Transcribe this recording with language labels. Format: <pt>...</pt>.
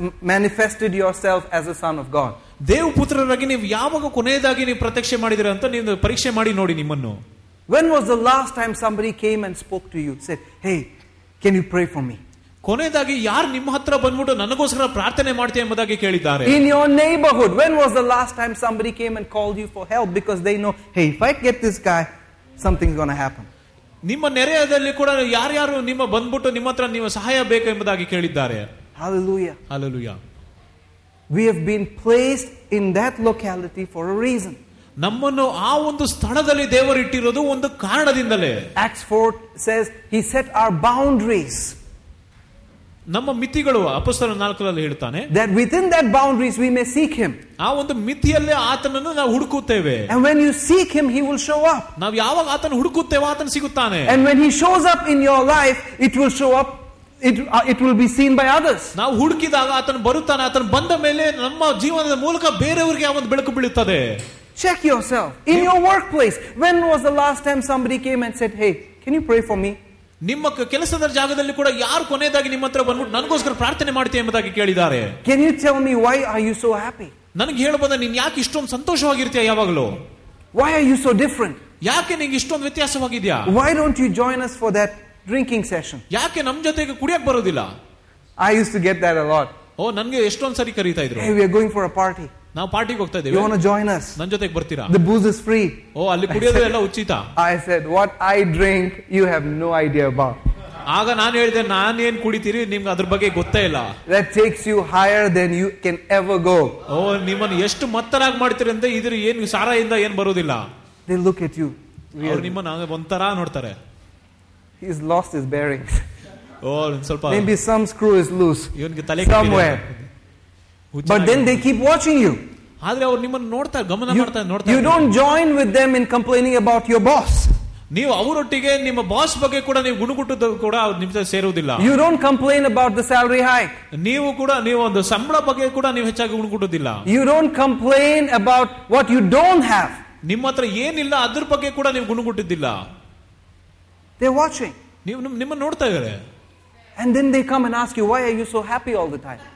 <en>Manifested yourself as a son of God.</en> <kn>Dev ಪುತ್ರರಾಗಿ ನೀವು ಯಾವಾಗ ಕೊನೆಯದಾಗಿ ನೀವು ಪ್ರತ್ಯಕ್ಷ ಮಾಡಿದಿರಾ ಅಂತ ನೀವು ಪರೀಕ್ಷೆ ಮಾಡಿ ನೋಡಿ ನಿಮ್ಮನ್ನು.</kn> <en>When was the last time somebody came and spoke to you, said, hey, can you pray for me?</en> <kn>ಕೊನೆಯದಾಗಿ ಯಾರು ನಿಮ್ಮ ಹತ್ರ ಬಂದ್ಬಿಟ್ಟು ನನಗೋಸ್ಕರ ಪ್ರಾರ್ಥನೆ ಮಾಡ್ತೀಯ ಎಂಬುದಾಗಿ ಕೇಳಿದ್ದಾರೆ?</kn> <en>In your neighborhood, when was the last time somebody came and called you for help because they know, hey, if I get this guy, something's going to happen.</en> <kn>ನಿಮ್ಮ ನೆರೆಯದಲ್ಲಿ ಕೂಡ ಯಾರ್ಯಾರು ನಿಮ್ಮ ಬಂದ್ಬಿಟ್ಟು ನಿಮ್ಮ ಹತ್ರ ನೀವು ಸಹಾಯ ಬೇಕು ಎಂಬುದಾಗಿ ಕೇಳಿದ್ದಾರೆ?</kn> <en>Hallelujah. Hallelujah. We have been placed in that locality for a reason.</en> <kn>ನಮ್ಮನ್ನು ಆ ಒಂದು ಸ್ಥಳದಲ್ಲಿ ದೇವರು ಇಟ್ಟಿರೋದು ಒಂದು ಕಾರಣದಿಂದಲೇ.</kn> <en>Acts 4 says he set our boundaries.</en> <kn>ನಮ್ಮ ಮಿತಿಗಳು ಅಪೊಸ್ತಲ 4ರಲ್ಲಿ ಹೇಳ್ತಾನೆ.</kn> <en>That within that boundaries we may seek him.</en> <kn>ಆ ಒಂದು ಮಿತಿಯಲ್ಲೇ ಆತನನ್ನು ನಾವು ಹುಡುಕುತ್ತೇವೆ.</kn> <en>And when you seek him he will show up.</en> <kn>ನಾವು ಯಾವಾಗ ಆತನ ಹುಡುಕುತ್ತೇವೆ ಆತನ ಸಿಗುತ್ತಾನೆ.</kn> <en>And when he shows up in your life it will show up. It will be seen by others.</en> <kn>ನಾವು ಹುಡುಕಿದಾಗ ಆತನ ಬರುತ್ತಾನೆ. ಆತನ ಬಂದ ಮೇಲೆ ನಮ್ಮ ಜೀವನದ ಮೂಲಕ ಬೇರೆಯವರಿಗೆ ಆ ಒಂದು ಬೆಳಕು ಬೀಳುತ್ತದೆ.</kn> <en>Check yourself in your workplace. When was the last time somebody came and said, hey, can you pray for me?</en> <kn>ನಿಮ್ಮ ಕೆಲಸದ ಜಾಗದಲ್ಲಿ ಕೂಡ ಯಾರು ಕೊನೆಯದಾಗಿ ನಿಮ್ಮ ಹತ್ರ ಬಂದ್ಬಿಟ್ಟು ನನಗೋಸ್ಕರ ಪ್ರಾರ್ಥನೆ ಮಾಡ್ತೀಯ ಎಂಬುದಾಗಿ ಕೇಳಿದ್ದಾರೆ?</kn> <en>Can you tell me why are you so happy?</en> <kn>ನನಗೆ ಹೇಳಬಹುದು ನೀನ್ ಯಾಕೆ ಇಷ್ಟೊಂದು ಸಂತೋಷವಾಗಿರ್ತೀಯ ಯಾವಾಗಲೂ?</kn> <en>Why are you so different?</en> <kn>ಯಾಕೆ ನಿಂಗೆ ಇಷ್ಟೊಂದು ವ್ಯತ್ಯಾಸವಾಗಿದ್ಯಾ?</kn> <en>Why don't you join us for that drinking session?</en> <kn>ಯಾಕೆ ನಮ್ ಜೊತೆಗೆ ಕುಡಿಯಕ್ ಬರೋದಿಲ್ಲ?</kn> <en>I used to get that a lot.</en> <kn>ಓ ನನಗೆ ಎಷ್ಟೊಂದು ಸರಿ ಕರೀತಾ ಇದ್ರು.</kn> <en>Hey, we are going for a party.</en> <kn>ನಾವು ಪಾರ್ಟಿಗೆ ಹೋಗ್ತಾ ಇದ್ದೀವಿ.</kn> <en>You want to join us?</en> <kn>ನನ್ನ ಜೊತೆಗೆ ಬರ್ತೀರಾ?</kn> <en>The booze is free.</en> <kn>ಓ ಅಲ್ಲಿ ಕುಡಿಯೋದು ಎಲ್ಲ ಉಚಿತ.</kn> <en>I said, what I drink, you have no idea about.</en> <kn>ಆಗ ನಾನು ಹೇಳಿದೆ ನಾನು ಏನ್ ಕುಡಿತೀರಿ ನಿಮ್ಗೆ ಅದ್ರ ಬಗ್ಗೆ ಗೊತ್ತೇ ಇಲ್ಲ.</kn> <en>That takes you higher than you can ever go.</en> <kn>ಓ ನಿಮ್ಮನ್ನು ಎಷ್ಟು ಮತ್ತರಾಗಿ ಮಾಡ್ತೀರಿ ಅಂದ್ರೆ ಇದ್ರ ಏನ್ ಸಾರ ಇಂದ ಏನ್ ಬರೋದಿಲ್ಲ.</kn> <en>They look at you.</en> <kn>ಅವ್ರು ನಿಮ್ಮನ್ನ ಒಂಥರ ನೋಡ್ತಾರೆ.</kn> <en>He has lost his bearings.</en> <kn>ಓ ಸ್ವಲ್ಪ</kn> <en>maybe some screw is loose.</en> <kn>ಇವನಿಗೆ ತಲೆ ಕೆಟ್ಟಿದೆ.</kn> <en>But then they keep watching you.</en> <kn>ಆದ್ರೆ ಅವ್ರು ನಿಮ್ಮನ್ನು ನೋಡ್ತಾರೆ, ಗಮನ ಮಾಡ್ತಾರೆ, ನೋಡ್ತಾರೆ.</kn> <en>You don't join with them in complaining about your boss.</en> <kn>ನೀವು ಅವರೊಟ್ಟಿಗೆ ನಿಮ್ಮ ಬಾಸ್ ಬಗ್ಗೆ ಕೂಡ ನೀವು ಗುಣಗುಟ್ಟದ ಕೂಡ ನಿಮ್ಗೆ ಸೇರುವುದಿಲ್ಲ.</kn> <en>You don't complain about the salary hike.</en> <kn>ನೀವು ಕೂಡ ನೀವು ಒಂದು ಸಂಬಳ ಬಗ್ಗೆ ಕೂಡ ನೀವು ಹೆಚ್ಚಾಗಿ ಗುಣಗುಟ್ಟುವುದಿಲ್ಲ.</kn> <en>You don't complain about what you don't have.</en> <kn>ನಿಮ್ಮ ಹತ್ರ ಏನಿಲ್ಲ ಅದ್ರ ಬಗ್ಗೆ ಕೂಡ ನೀವು ಗುಣಗುಟ್ಟಿದ್ದಿಲ್ಲ.</kn> <en>They're watching.</en> <kn>ನೀವು ನಿಮ್ಮನ್ನು ನೋಡ್ತಾ ಇದ್ದಾರೆ.</kn> <en>And then they come and ask you, why are you so happy all the time?</en>